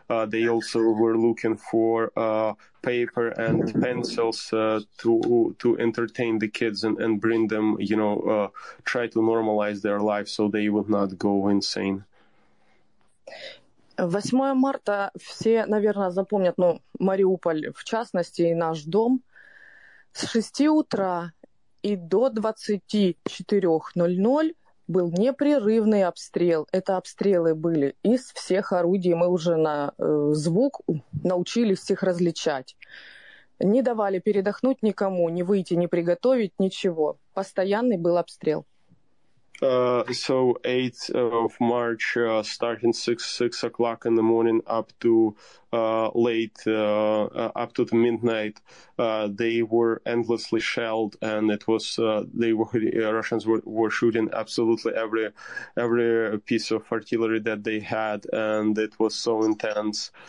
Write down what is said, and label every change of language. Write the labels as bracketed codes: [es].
[en] They also were looking for paper and pencils to entertain the kids and bring them, you know, try to normalize their life so they would not go insane. [ru] 8 марта все, наверное, запомнят, ну, Мариуполь, в частности, и наш дом. С 6 утра и до 24:00 был непрерывный обстрел. Это обстрелы были из всех орудий. Мы уже на звук научились их различать. Не давали передохнуть никому, ни выйти, ни приготовить, ничего. Постоянный был обстрел. [en] So 8th of March, starting 6 o'clock in the morning up to up to the midnight, they were endlessly shelled, and it was Russians were shooting absolutely every piece of artillery that they had, and it was so intense.